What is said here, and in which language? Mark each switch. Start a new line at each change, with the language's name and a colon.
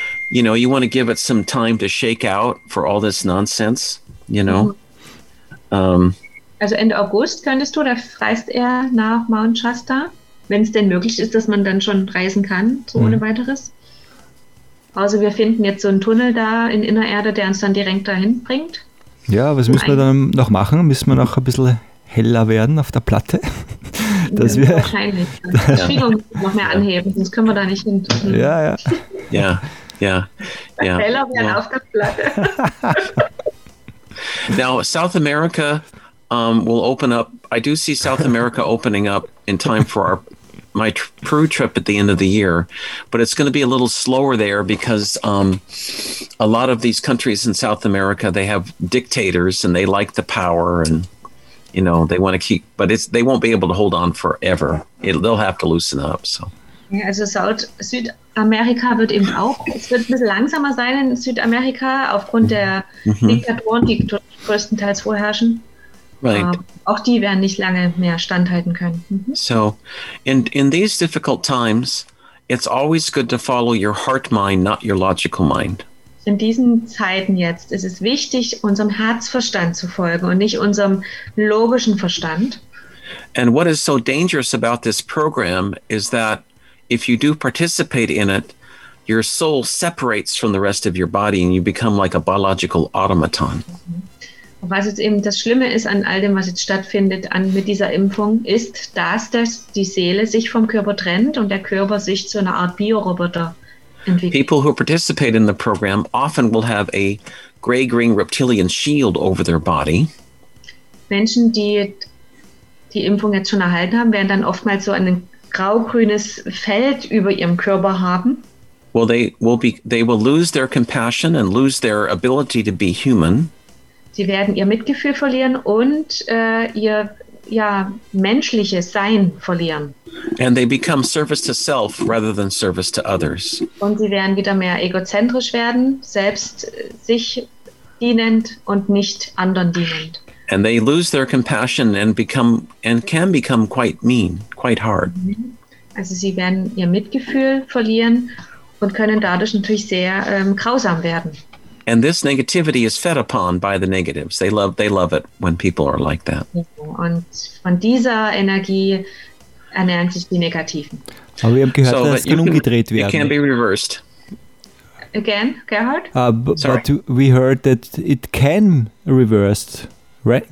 English: You know, you want to give it some time to shake out for all this nonsense, you know.
German: Also Ende August könntest du, da reist er nach Mount Shasta. Wenn es denn möglich ist, dass man dann schon reisen kann, so ohne weiteres. Also wir finden jetzt so einen Tunnel da in Innererde, der uns dann direkt dahin bringt. Ja, was müssen wir dann noch machen? Müssen wir noch ein bisschen heller werden auf der Platte? Dass wir wahrscheinlich. Die Schwingung noch mehr anheben, sonst können wir da nicht hin. Ja. Heller werden auf der Platte.
English: Now, South America will open up. I do see South America opening up in time for my Peru trip at the end of the year, but it's going to be a little slower there because a lot of these countries in South America, they have dictators and they like the power and, you know, they want to keep, but they won't be able to hold on forever. They'll have to loosen up. So.
German: Ja, also Südamerika wird eben auch, es wird ein bisschen langsamer sein in Südamerika aufgrund der Diktatoren, die größtenteils vorherrschen.
English: Right.
German: Auch die werden nicht lange mehr standhalten können.
English: So, in these difficult times, It's always good to follow your heart mind, not your logical mind.
German: In diesen Zeiten jetzt ist es wichtig, unserem Herzverstand zu folgen und nicht unserem logischen Verstand.
English: And what is so dangerous about this program is that if you do participate in it, your soul separates from the rest of your body and you become like a biological automaton.
German: Und was jetzt eben das Schlimme ist an all dem, was jetzt stattfindet an, mit dieser Impfung, ist, dass das die Seele sich vom Körper trennt und der Körper sich zu einer Art Bioroboter entwickelt.
English: People who participate in the program often will have a gray-green reptilian shield over their body.
German: Menschen, die die Impfung jetzt schon erhalten haben, werden dann oftmals so ein grau-grünes Feld über ihrem Körper haben.
English: Well, they will lose their compassion and lose their ability to be human.
German: Sie werden ihr Mitgefühl verlieren und ihr ja menschliches Sein verlieren.
English: And they become service to self rather than service to others.
German: Und sie werden wieder mehr egozentrisch werden, selbst sich dienend und nicht anderen dienend.
English: And they lose their compassion and become and can become quite mean, quite hard.
German: Also sie werden ihr Mitgefühl verlieren und können dadurch natürlich sehr grausam werden.
English: And this negativity is fed upon by the negatives. They love it when people are like that.
German: Und von dieser Energie ernähren sich die Negativen. Aber wir haben gehört, so, dass es umgedreht werden.
English: It can be reversed. Again, Gerhard? But we heard that it can reverse, right?